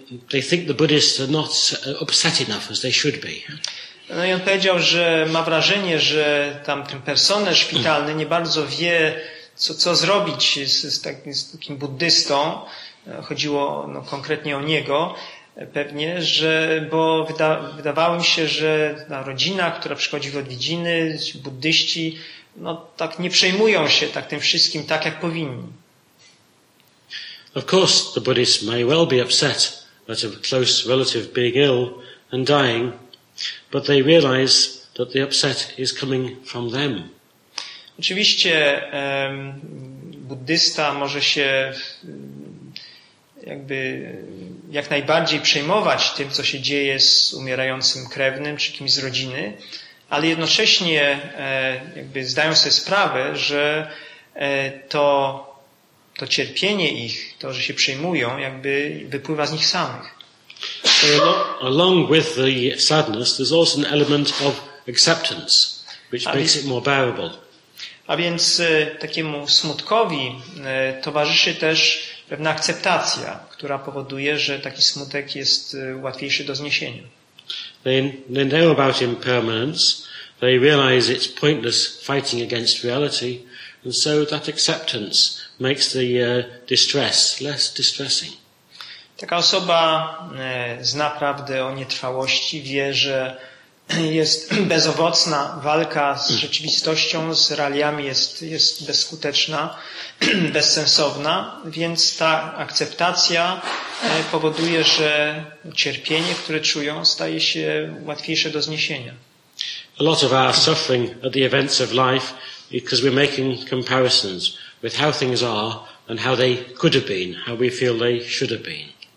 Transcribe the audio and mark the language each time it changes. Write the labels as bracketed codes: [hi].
[en] They think the Buddhists are not upset enough as they should be. [pl] No i on powiedział, że ma wrażenie, że tam ten personel szpitalny nie bardzo wie, co zrobić z takim buddystą. Chodziło konkretnie o niego. Pewnie, że bo wydawało mi się, że ta rodzina, która przychodzi w odwiedziny, buddyści, tak nie przejmują się tak tym wszystkim tak, jak powinni. [en] Of course, the Buddhist may well be upset at a close relative being ill and dying, but they realize that the upset is coming from them. [pl] Oczywiście buddysta może się jakby jak najbardziej przejmować tym, co się dzieje z umierającym krewnym czy kimś z rodziny, ale jednocześnie jakby zdają sobie sprawę, że to cierpienie ich, to, że się przejmują, jakby wypływa z nich samych. [en] Along with the sadness, there's also an element of acceptance, which makes it more bearable. [pl] A więc takiemu smutkowi towarzyszy też pewna akceptacja, która powoduje, że taki smutek jest łatwiejszy do zniesienia. [en] They know about impermanence. They realize it's pointless fighting against reality. And so that acceptance makes the distress less distressing. [pl] Taka osoba zna prawdę o nietrwałości, wie, że jest bezowocna walka z rzeczywistością, z realiami jest bezskuteczna, bezsensowna, więc ta akceptacja powoduje, że cierpienie, które czują, staje się łatwiejsze do zniesienia. [en] A lot of our suffering at the events of life because we're making comparisons with how things are and how they could have been, how we feel they should have been.